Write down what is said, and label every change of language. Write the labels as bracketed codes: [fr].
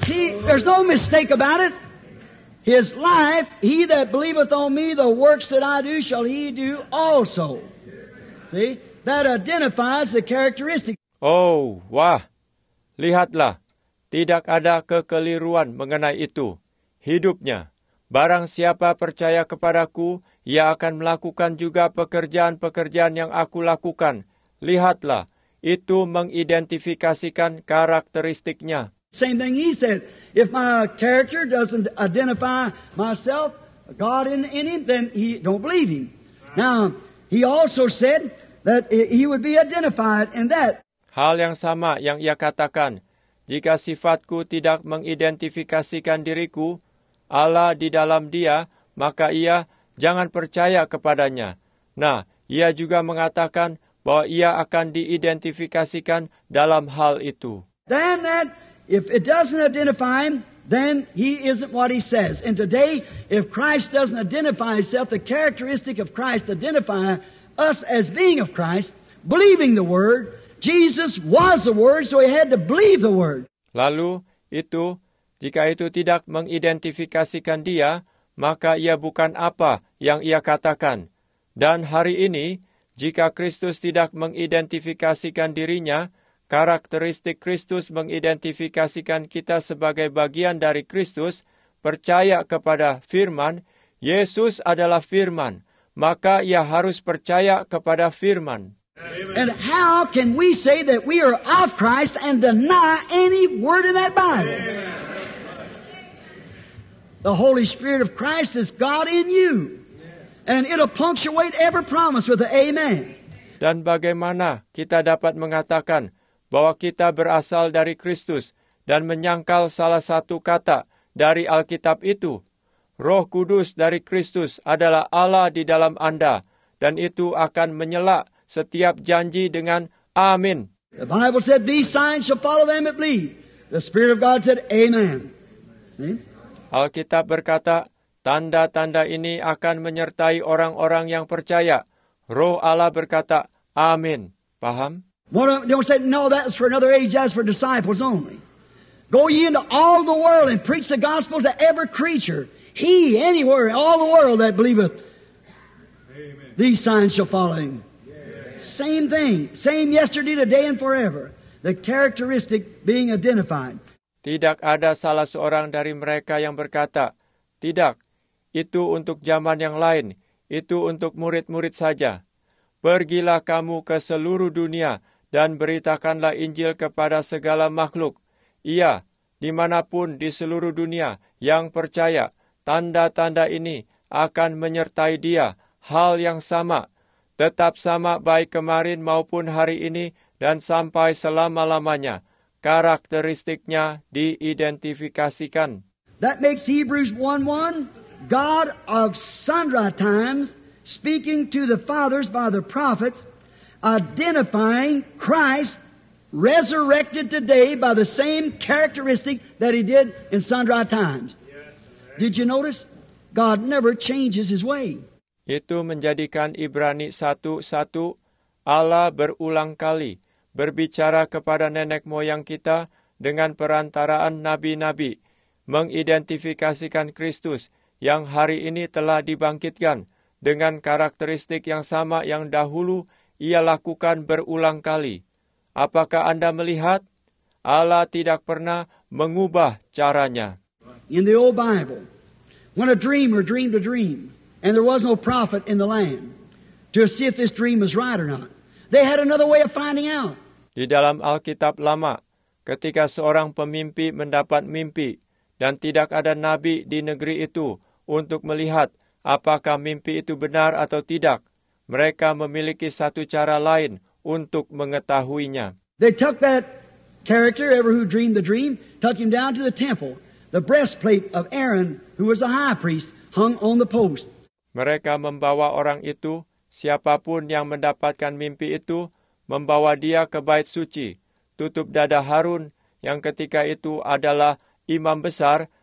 [en] See, there's no mistake about it. His life, he that believeth on me, the works that I do, shall he do also. See, that identifies the characteristic. Oh, wah. [id] Lihatlah, tidak ada kekeliruan mengenai itu. Hidupnya, barang siapa percaya kepadaku, ia akan melakukan juga pekerjaan-pekerjaan yang aku lakukan. Lihatlah, itu mengidentifikasikan karakteristiknya. [en] Same thing he said. If my character doesn't identify myself, God in him, then he don't believe him. Now, he also said that he would be identified in that. [id] Hal yang sama yang ia katakan, jika sifatku tidak mengidentifikasikan diriku, Allah di dalam dia, maka ia jangan percaya kepadanya. Nah, ia juga mengatakan bahwa ia akan diidentifikasikan dalam hal itu. [en] Then that, if it doesn't identify him, then he isn't what he says. And today, if Christ doesn't identify himself, the characteristic of Christ identify us as being of Christ, believing the word, Jesus was the word, so he had to believe the word. [id] Lalu, itu, jika itu tidak mengidentifikasikan dia, maka ia bukan apa yang ia katakan. Dan hari ini, jika Kristus tidak mengidentifikasikan dirinya, karakteristik Kristus mengidentifikasikan kita sebagai bagian dari Kristus, percaya kepada Firman, Yesus adalah Firman, maka ia harus percaya kepada Firman. [en] And how can we say that we are of Christ and deny any word in that Bible? The Holy Spirit of Christ is God in you. And it'll punctuate every promise with an amen. [id] Dan bagaimana kita dapat mengatakan bahwa kita berasal dari Kristus dan menyangkal salah satu kata dari Alkitab itu? Roh Kudus dari Kristus adalah Allah di dalam Anda, dan itu akan menyela setiap janji dengan amin. [en] The Bible said these signs shall follow them that believe. The Spirit of God said amen. [id] Alkitab berkata, tanda-tanda ini akan menyertai orang-orang yang percaya. Roh Allah berkata, amin. Paham? [en] Don't say, no, that's for another age, that's for disciples only. Go ye into all the world and preach the gospel to every creature. He, anywhere, all the world that believeth. Amen. These signs shall follow him. Same thing, same yesterday, today, and forever. The characteristic being identified. [id] Tidak ada salah seorang dari mereka yang berkata, tidak, itu untuk zaman yang lain, itu untuk murid-murid saja. Pergilah kamu ke seluruh dunia dan beritakanlah Injil kepada segala makhluk. Ia, dimanapun di seluruh dunia yang percaya, tanda-tanda ini akan menyertai dia, hal yang sama. Tetap sama baik kemarin maupun hari ini dan sampai selama-lamanya. Karakteristiknya diidentifikasikan. [en] That makes Hebrews 1:1, God of sundry times, speaking to the fathers by the prophets, identifying Christ resurrected today by the same characteristic that he did in sundry times. Did you notice? God never changes his way. [id] Itu menjadikan Ibrani 1:1, Allah berulang kali berbicara kepada nenek moyang kita dengan perantaraan nabi-nabi, mengidentifikasikan Kristus yang hari ini telah dibangkitkan dengan karakteristik yang sama yang dahulu ia lakukan berulang kali. Apakah Anda melihat? Allah tidak pernah mengubah caranya. [en] In the old Bible, when a dreamer dreamed a dream, and there was no prophet in the land to see if this dream was right or not, they had another way of finding out. [id] Di dalam Alkitab lama, ketika seorang pemimpi mendapat mimpi dan tidak ada nabi di negeri itu untuk melihat apakah mimpi itu benar atau tidak, mereka memiliki satu cara lain untuk mengetahuinya. [en] They took that character, ever who dreamed the dream, took him down to the temple. The breastplate of Aaron, who was a high priest, hung on the post. [id] Mereka membawa orang itu, siapapun yang mendapatkan mimpi itu, membawa dia ke bait suci. Tutup dada Harun, yang ketika itu adalah imam besar,